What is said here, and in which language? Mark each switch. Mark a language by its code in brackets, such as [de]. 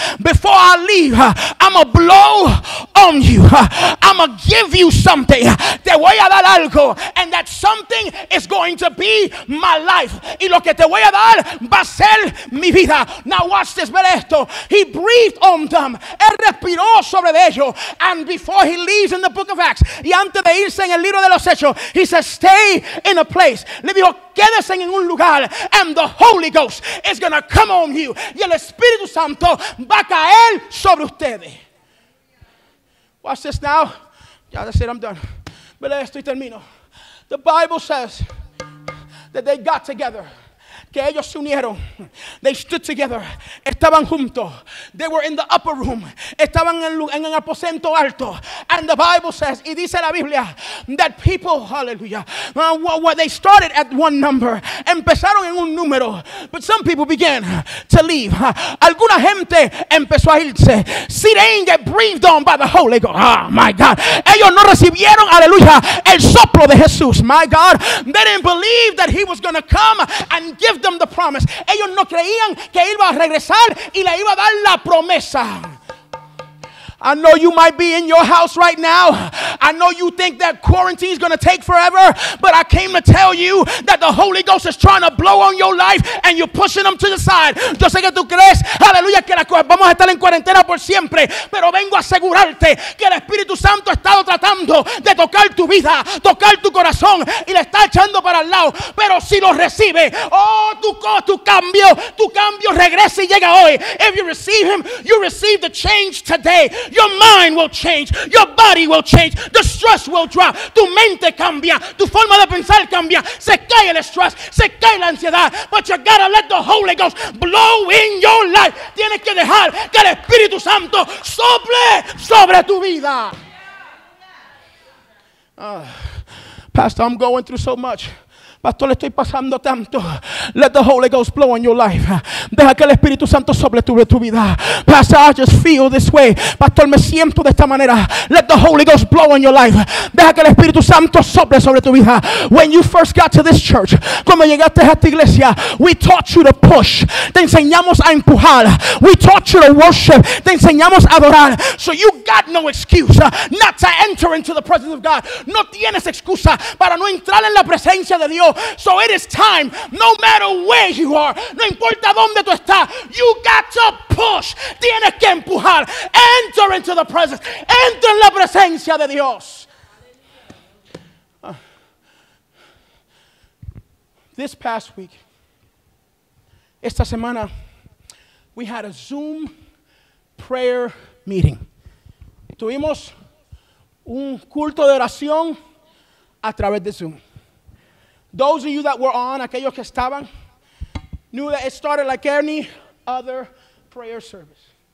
[en] Before I leave, I'm gonna blow on you. I'm gonna give you something. [es] Te voy a dar algo. [en] And that something is going to be my life. [es] Y lo que te voy a dar va a ser mi vida. [en] Now watch this. [es] Ver esto. [en] He breathed on them. [es] Él respiró sobre ellos. [en] And before he leaves in the book of Acts, [es] y antes de irse en el libro de los hechos, [en] he says, stay in a place. [es] Le dijo, quédese en un lugar, [en] and the Holy Ghost is going to come on you. [es] Y el Espíritu Santo va a caer sobre ustedes. [en] Watch this now. Yeah, that's it, I'm done. [es] Mira esto y termino. [en] The Bible says that they got together. [es] Que ellos se unieron. [en] They stood together. [es] Estaban juntos. [en] They were in the upper room. [es] Estaban en el aposento alto. [en] And the Bible says, [es] y dice la Biblia, [en] that people, hallelujah, well, they started at one number. [es] Empezaron en un número. [en] But some people began to leave. [es] Alguna gente empezó a irse. [en] See, they didn't get breathed on by the Holy Ghost. Oh, my God. [es] Ellos no recibieron, aleluya, el soplo de Jesús. [en] My God. They didn't believe that he was going to come and give them the promise. [es] Ellos no creían que iba a regresar y le iba a dar la promesa. [en] I know you might be in your house right now. I know you think that quarantine is going to take forever, but I came to tell you that the Holy Ghost is trying to blow on your life and you're pushing them to the side. [es] Yo sé que tú crees, aleluya, que vamos a estar en cuarentena por siempre, pero vengo a asegurarte que el Espíritu Santo ha estado tratando de tocar tu vida, tocar tu corazón y le está echando para el lado, pero si lo recibe, tu cambio regresa y llega hoy. [en] If you receive him, you receive the change today. Your mind will change, your body will change, the stress will drop. [es] Tu mente cambia, tu forma de pensar cambia. Se cae el stress, se cae la ansiedad. [en] But you gotta let the Holy Ghost blow in your life. [es] Tienes que dejar que el Espíritu Santo sople sobre tu vida. [en] Pastor, I'm going through so much. [es] Pastor, le estoy pasando tanto. [en] Let the Holy Ghost blow on your life. [es] Deja que el Espíritu Santo sople sobre tu vida. [en] Pastor, I just feel this way. [es] Pastor, me siento de esta manera. [en] Let the Holy Ghost blow on your life. [es] Deja que el Espíritu Santo sople sobre tu vida. [en] When you first got to this church, [es] cuando llegaste a esta iglesia, [en] we taught you to push. [es] Te enseñamos a empujar. [en] We taught you to worship. [es] Te enseñamos a adorar. [en] So you got no excuse not to enter into the presence of God. [es] No tienes excusa para no entrar en la presencia de Dios. [en] So it is time, no matter where you are, [es] no importa donde tú estás, [en] you got to push. [es] Tienes que empujar. [en] Enter into the presence. [es] Entra en la presencia de Dios. [en] This past week, [es] esta semana, [en] we had a Zoom prayer meeting. [es] Tuvimos un culto de oración a través de Zoom. [en] Those of you that were on, [es] aquellos que estaban, [en] knew that it started like any other prayer service.